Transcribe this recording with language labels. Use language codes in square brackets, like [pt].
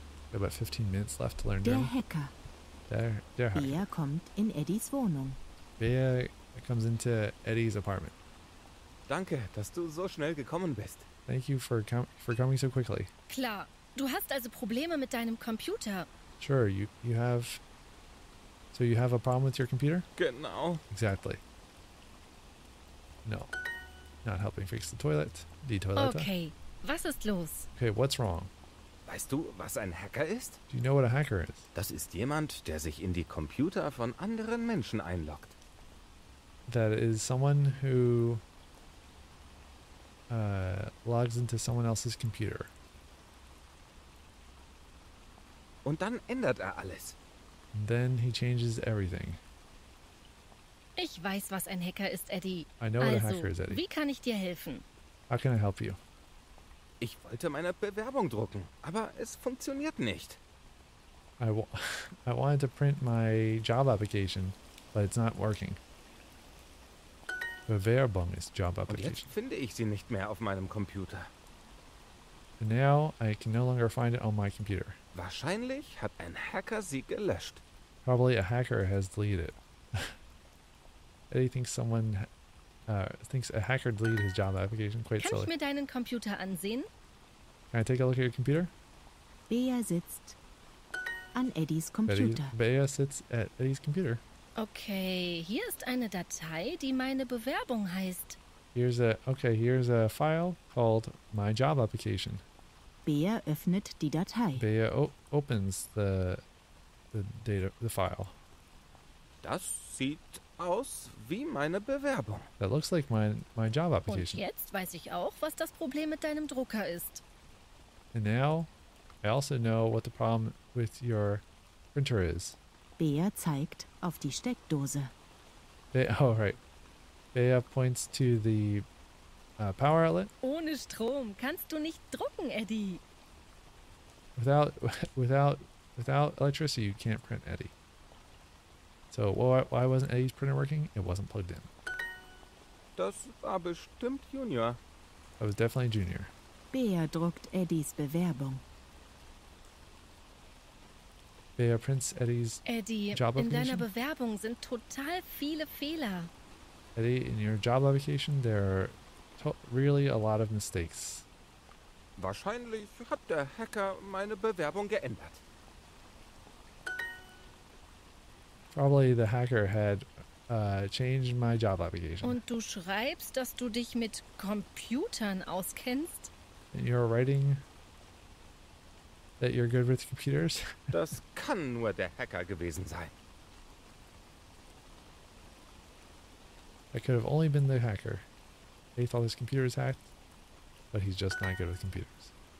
[en] Got about 15 minutes left to learn [de] German. Der Hacker. [en] They're high. [de] Bear kommt in Eddies Wohnung. [en] Bear comes into Eddie's apartment. [de] Danke, dass du so schnell gekommen bist. [en] Thank you for coming so quickly. [de] Klar, du hast also Probleme mit deinem Computer. [en] Sure, you have a problem with your computer? [de] Genau. [en] Exactly. No. Not helping fix the toilet. Die Toilette. [de] Okay, was ist los? [en] Okay, what's wrong? [de] Weißt du, was ein Hacker ist? [en] Do you know what a hacker is? [de] Das ist jemand, der sich in die Computer von anderen Menschen einloggt. [en] That is someone who logs into someone else's computer. [de] Und dann ändert er alles. [en] And then he changes everything. [de] Ich weiß, was ein Hacker ist, Eddie. [en] I know what a hacker is, Eddie. [de] Wie kann ich dir helfen? [en] How can I help you? [de] Ich wollte meine Bewerbung drucken, aber es funktioniert nicht. [en] I wanted to print my job application, but it's not working. [de] Bewerbung ist Job Application. Und jetzt finde ich sie nicht mehr auf meinem Computer. [en] And now I can no longer find it on my computer. [de] Wahrscheinlich hat ein Hacker sie gelöscht. [en] Probably a hacker has deleted it. Eddie thinks someone thinks a hacker deleted his job application quite silly. [de] Kann ich mir deinen Computer ansehen? [en] Can I take a look at your computer? [de] Bea sitzt an Eddies Computer. [en] Bea sits at Eddies Computer. [de] Okay, hier ist eine Datei, die meine Bewerbung heißt. [en] Here's a file called My Job Application. [de] Bea öffnet die Datei. [en] Bea opens the file. [de] Das sieht aus wie meine Bewerbung. [en] That looks like my job application. [de] Und jetzt weiß ich auch, was das Problem mit deinem Drucker ist. [en] And now I also know what the problem with your printer is. [de] Bea zeigt auf die Steckdose. [en] Bea points to the power outlet. [de] Ohne Strom kannst du nicht drucken, Eddie. [en] Without electricity, you can't print, Eddie. So why wasn't Eddie's printer working? It wasn't plugged in. [de] Das war bestimmt Junior. [en] I was definitely Junior. [de] Bea druckt Eddies Bewerbung. [en] Bea prints Eddie's Eddie, job application. [de] Eddie, in deiner Bewerbung sind total viele Fehler. [en] Eddie, in your job application, there are really a lot of mistakes. [de] Wahrscheinlich hat der Hacker meine Bewerbung geändert. [en] Probably the hacker had changed my job application. [de] Und du schreibst, dass du dich mit Computern auskennst? [en] And you're writing that you're good with computers? [de] Das kann nur der Hacker gewesen sein. [en] That could have only been the hacker. He thought his computer was hacked, but he's just not good with computers.